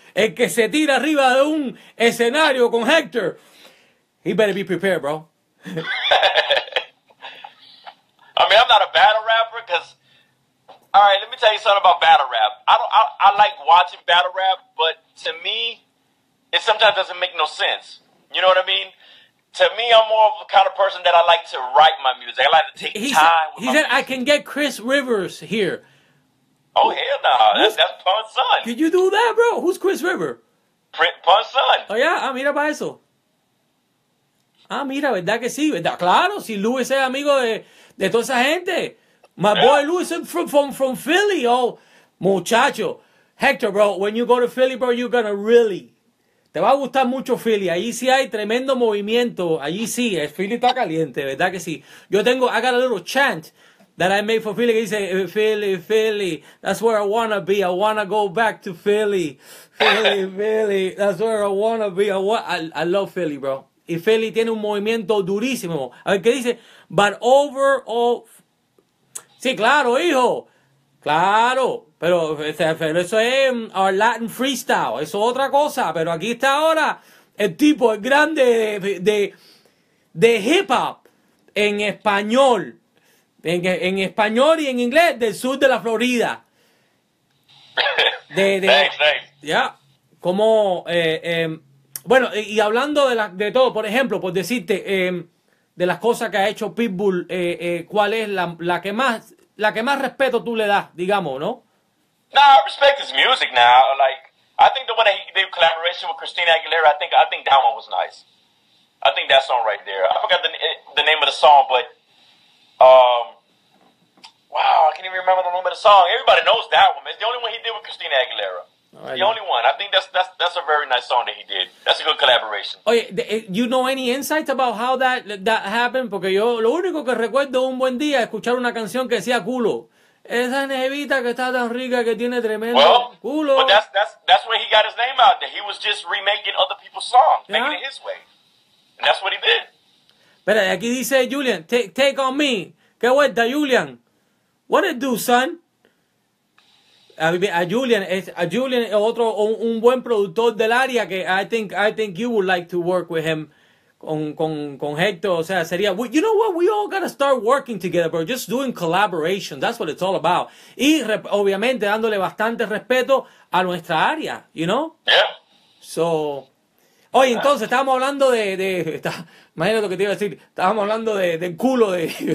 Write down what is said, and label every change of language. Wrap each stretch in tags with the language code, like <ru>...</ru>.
<es>El que se tira arriba de un escenario con Hector.</es> <en>He better be prepared, bro. I mean, I'm not a battle rapper because... All right, let me tell you something about battle rap. I like watching battle rap, but to me, it sometimes doesn't make no sense. You know what I mean? To me, I'm more of the kind of person that I like to write my music. I like to take time with my music. I can get Chris Rivers here. Oh, hell nah. That's Pun's son. Could you do that, bro? Who's Chris River? Pun's son. Oh, yeah.</en> <es>Ah, mira para eso. Ah, mira, verdad que sí. ¿Verdad? Claro, si Luis es amigo de toda esa gente.</es> <en>My boy Luis is from Philly.</en> <es>Oh, muchacho.</es> <en>Hector, bro, when you go to Philly, bro, you're going to really,</en> <es>Te va a gustar mucho Philly. Allí sí hay tremendo movimiento. Allí sí, Philly está caliente, ¿verdad que sí? Yo tengo,</es> <en>I got a little chant that I made for Philly.</en> <es>Que dice,</es> <en>Philly, Philly, that's where I wanna be. I wanna go back to Philly. Philly, Philly, that's where I wanna be. I love Philly, bro.</en> <es>Y Philly tiene un movimiento durísimo. A ver, ¿qué dice?</es> <en>But overall...</en> <es>Sí, claro, hijo. Claro. Pero eso es</es> <en>our Latin freestyle.</en> <es>Eso es otra cosa. Pero aquí está ahora el tipo, el grande de hip-hop en español. En español y en inglés del sur de la Florida.</es> <en>Thanks.</en> <es>Ya. Como... bueno, y hablando de todo, por ejemplo, por decirte, de las cosas que ha hecho Pitbull, ¿cuál es la que más respeto tú le das, digamos, no?</es> <en>Nah, I respect his music now. Like, I think the one that he did collaboration with Christina Aguilera, I think that one was nice. I think that song right there. I forgot the name of the song, but wow, I can't even remember the name of the song. Everybody knows that one. It's the only one he did with Christina Aguilera. The only one. I think that's a very nice song that he did. That's a good collaboration.</en> <es>Oye,</es> <en>you know any insights about how that happened?</en> <es>Porque yo lo único que recuerdo un buen día escuchar una canción que decía culo. Esa nevita que está tan rica que tiene tremendo culo.</es> <en>But that's where he got his name out. That he was just remaking other people's songs, making it his way. And that's what he did.</en> <es>Pero aquí dice Julian, take on me. Qué vuelta, Julian.</es> <en>What it do, son?</en> <es>A Julian es otro un buen productor del área que</es> <en>I think you would like to work with him</en> <es>con Hector, o sea, sería</es> <en>you know what, we all gotta start working together, bro, just doing collaboration, that's what it's all about.</en> <es>Y obviamente dándole bastante respeto a nuestra área,</es> <en>you know? Yeah.</en> <es>So, oye, entonces estábamos hablando de imagínate lo que te iba a decir, estábamos hablando de culo de</es>